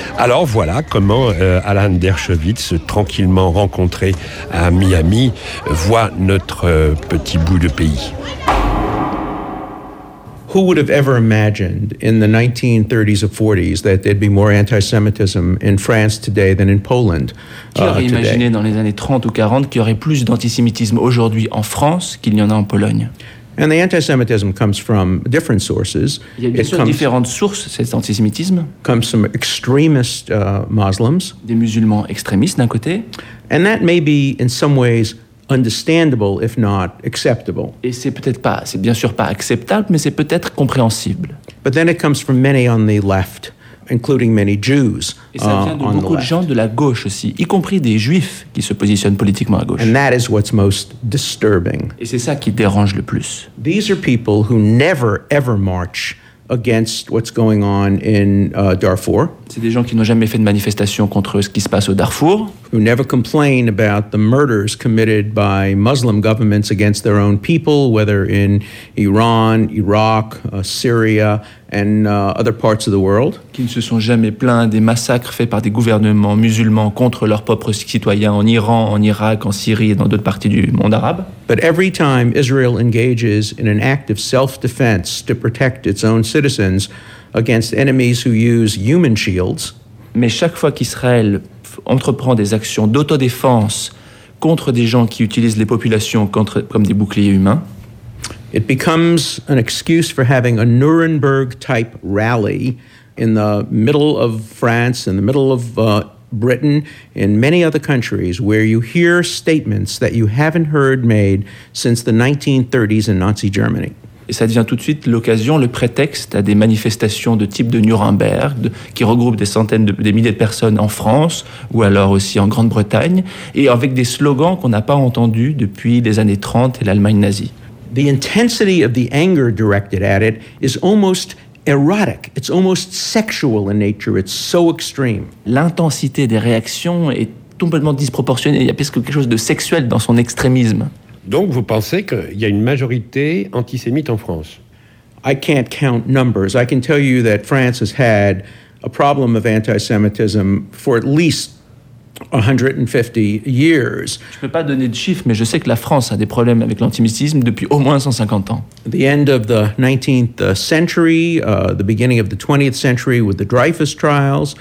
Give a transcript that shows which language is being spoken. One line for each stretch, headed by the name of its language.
French: Alors voilà comment Alan Dershowitz, tranquillement rencontré à Miami, voit notre petit bout de pays.
English: Who would have ever imagined in the 1930s or 40s that there'd be more anti-Semitism in France today than in Poland?
French: Qui aurait imaginé dans les années 30 ou 40 qu'il y aurait plus d'antisémitisme aujourd'hui en France qu'il n'y en a en Pologne?
English: And the anti-Semitism comes from different sources.
French: Il y a bien sûr différentes sources, cet antisémitisme.
English: Comes from extremist Muslims.
French: Des musulmans extrémistes d'un côté.
English: And that may be in some ways understandable, if not acceptable.
French: Et c'est peut-être pas, c'est bien sûr pas acceptable, mais c'est peut-être compréhensible.
English: But then it comes from many on the left, including many Jews.
French: Et ça vient de beaucoup de gens de la gauche aussi, y compris des juifs qui se positionnent politiquement à gauche.
English: And that is what's most disturbing.
French: Et c'est ça qui dérange le plus.
English: These are people who never ever march against what's going on in Darfur.
French: C'est des gens qui n'ont jamais fait de manifestation contre ce qui se passe au Darfour.
English: Who never complain about the murders committed by Muslim governments against their own people, whether in Iran, Iraq, Syria, and other parts of the world.
French: Qui ne se sont jamais plaints des massacres faits par des gouvernements musulmans contre leurs propres citoyens en Iran, en Irak, en Syrie et dans d'autres parties du monde arabe.
English: But every time Israel engages in an act of self-defense to protect its own citizens against enemies who use human shields.
French: Mais chaque fois qu'Israël entreprend des actions d'autodéfense contre des gens qui utilisent les populations contre, comme des boucliers humains,
English: it becomes an excuse for having a Nuremberg-type rally in the middle of France, in the middle of Britain, in many other countries, where you hear statements that you haven't heard made since the 1930s in Nazi Germany.
French: Et ça devient tout de suite l'occasion, le prétexte à des manifestations de type de Nuremberg, qui regroupent des centaines, des milliers de personnes en France, ou alors aussi en Grande-Bretagne, et avec des slogans qu'on n'a pas entendus depuis les années 30 et l'Allemagne nazie.
English: The intensity of the anger directed at it is almost erotic. It's almost sexual in nature. It's so extreme.
French: L'intensité des réactions est complètement disproportionnée. Il y a presque quelque chose de sexuel dans son extrémisme. Donc vous pensez qu'il y a une majorité antisémite en France?
English: I can't count numbers. I can tell you that France has had a problem of anti-Semitism for at least 150 years.
French: Je ne peux pas donner de chiffres, mais je sais que la France a des problèmes avec l'antisémitisme depuis au moins 150 ans.
English: The end of the 19th century, the beginning of the 20th century with the Dreyfus trials.